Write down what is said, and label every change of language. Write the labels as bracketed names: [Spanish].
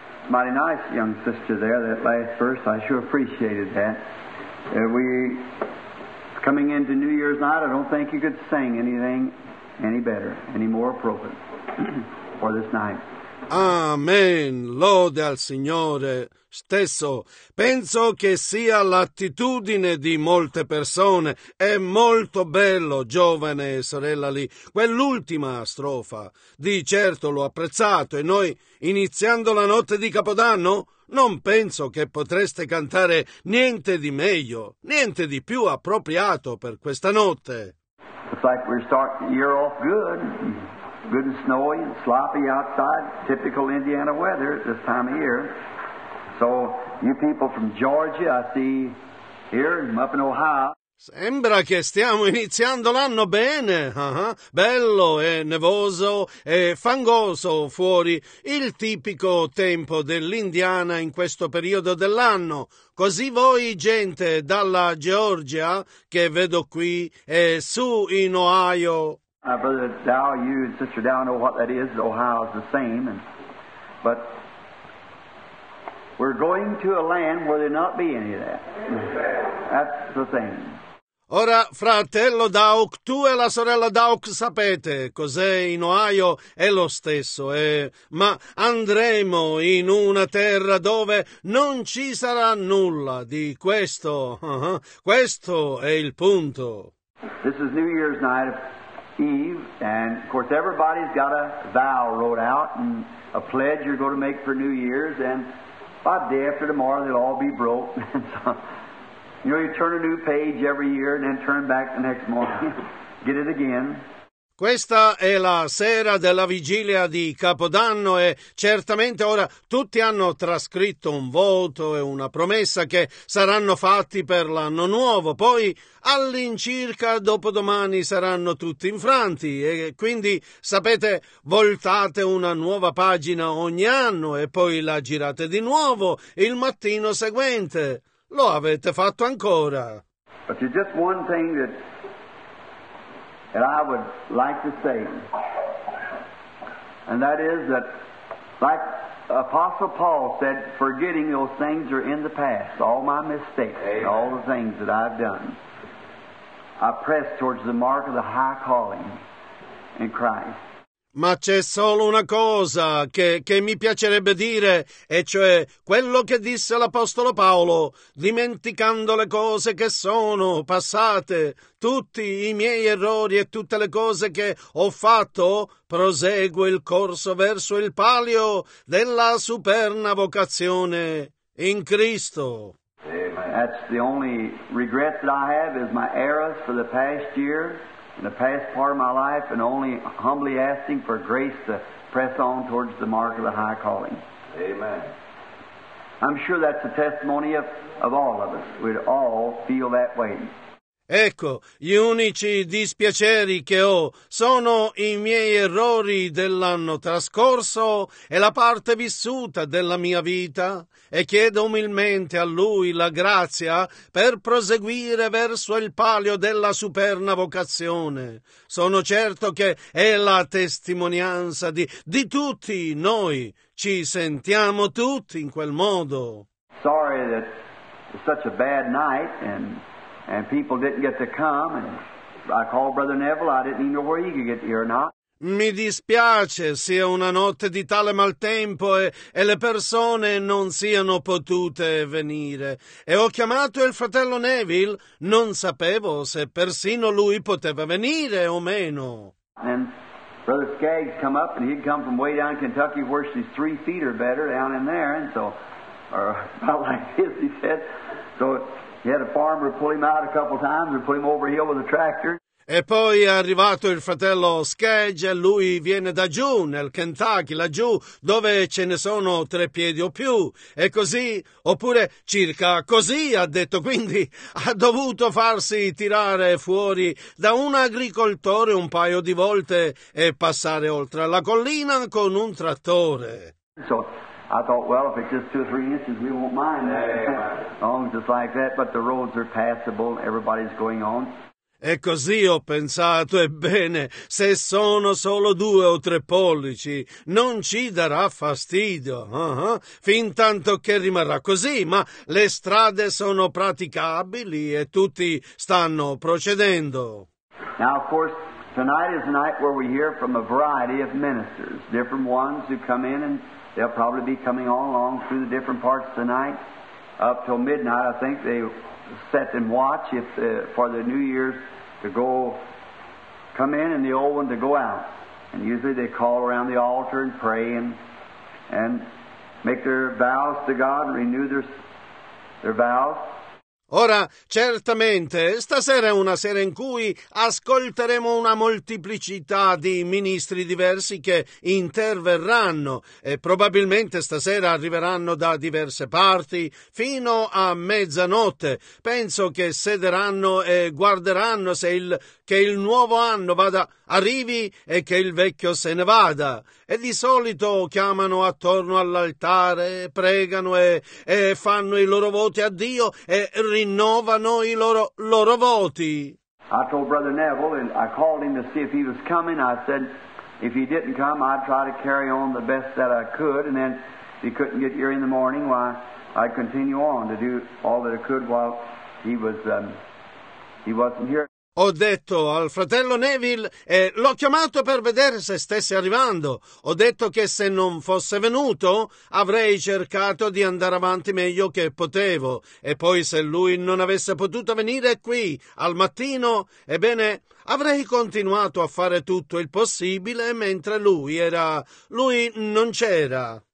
[English] Mighty nice, young sister, there, that last verse. I sure appreciated that. We, coming into New Year's night, I don't think you could sing anything any better, any more appropriate for this night. [Italian] Amen. Lode al Signore stesso. Penso che sia l'attitudine di molte persone. È molto bello, giovane sorella lì. Quell'ultima strofa, di certo l'ho apprezzato. E noi, iniziando la notte di Capodanno, non penso che potreste cantare niente di meglio, niente di più appropriato per questa notte. [English] It's like we're starting the year off good. Good and snowy and sloppy outside, typical Indiana weather at this time of year. So, you people from Georgia, I see here, I'm up in Ohio. [Italian] Sembra che stiamo iniziando l'anno bene. Bello e nevoso e fangoso fuori, il tipico tempo dell'Indiana in questo periodo dell'anno. Così voi, gente dalla Georgia, che vedo qui, e su in Ohio. [English] Brother Dow, you and Sister Dow know what that is. Ohio's the same. But we're going to a land where there'll not be any of that. That's the thing. [Italian] Ora, fratello Dauk, tu e la sorella Dauk sapete cos'è in Ohio, è lo stesso, ma andremo in una terra dove non ci sarà nulla di questo. Questo è il punto. [English] This is New Year's night. Eve, and of course everybody's got a vow wrote out and a pledge you're going to make for New Year's, and by the day after tomorrow they'll all be broke. So, you know, you turn a new page every year and then turn back the next morning, get it again. [Italian] Questa è la sera della vigilia di Capodanno e certamente ora tutti hanno trascritto un voto e una promessa che saranno fatti per l'anno nuovo. Poi all'incirca dopodomani saranno tutti infranti e quindi, sapete, voltate una nuova pagina ogni anno e poi la girate di nuovo il mattino seguente. Lo avete fatto ancora. [English] But there's just one thing that... And I would like to say, and that is that, like Apostle Paul said, forgetting those things are in the past, all my mistakes, amen, all the things that I've done, I press towards the mark of the high calling in Christ. [Italian] Ma c'è solo una cosa che mi piacerebbe dire, e cioè quello che disse l'Apostolo Paolo, dimenticando le cose che sono passate, tutti i miei errori e tutte le cose che ho fatto, proseguo il corso verso il palio della superna vocazione in Cristo. [English] That's the only regret that I have is my errors for the past year. In the past part of my life, and only humbly asking for grace to press on towards the mark of the high calling. Amen. I'm sure that's a testimony of all of us. We'd all feel that way. [Italian] Ecco, gli unici dispiaceri che ho sono i miei errori dell'anno trascorso e la parte vissuta della mia vita, e chiedo umilmente a Lui la grazia per proseguire verso il palio della superna vocazione. Sono certo che è la testimonianza di tutti noi, ci sentiamo tutti in quel modo. [English] Sorry that it's such a bad night and people didn't get to come, and I called Brother Neville. I didn't even know where he could get here or not. [Italian] Mi dispiace sia una notte di tale maltempo e le persone non siano potute venire. E ho chiamato il fratello Neville. Non sapevo se persino lui poteva venire o meno. [English] And Brother Skaggs come up and he'd come from way down Kentucky where she's 3 feet or better down in there. And so, or about like this, he said. So he had a farmer pull him out a couple times and put him over a hill with a tractor. [Italian] E poi è arrivato il fratello Skaggs e lui viene da giù, nel Kentucky, laggiù, dove ce ne sono 3 piedi o più. E così, oppure circa così, ha detto. Quindi ha dovuto farsi tirare fuori da un agricoltore un paio di volte e passare oltre la collina con un trattore. [English] So, I thought, well, if it's just 2 or 3 inches, we won't mind that. Just like that, but the roads are passable, everybody's going on. [Italian] E così ho pensato, ebbene, se sono solo 2 o 3 pollici, non ci darà fastidio, fin tanto che rimarrà così, ma le strade sono praticabili e tutti stanno procedendo. [English] Now, of course, tonight is a night where we hear from a variety of ministers, different ones who come in, and they'll probably be coming all along through the different parts of the night, up till midnight, I think they set and watch if for the New Year's to go come in and the old one to go out. And usually they call around the altar and pray and make their vows to God, renew their vows. [Italian] Ora, certamente, stasera è una sera in cui ascolteremo una moltiplicità di ministri diversi che interverranno e probabilmente stasera arriveranno da diverse parti fino a mezzanotte. Penso che sederanno e guarderanno se il nuovo anno arrivi e che il vecchio se ne vada. E di solito chiamano attorno all'altare, pregano e fanno i loro voti a Dio e rinnovano i loro voti. [English] I told Brother Neville, and I called him to see if he was coming. I said, if he didn't come, I'd try to carry on the best that I could. And then, if he couldn't get here in the morning, why, I'd continue on to do all that I could while he wasn't here. [Italian] Ho detto al fratello Neville, l'ho chiamato per vedere se stesse arrivando. Ho detto che se non fosse venuto, avrei cercato di andare avanti meglio che potevo. E poi se lui non avesse potuto venire qui al mattino, ebbene, avrei continuato a fare tutto il possibile mentre lui non c'era.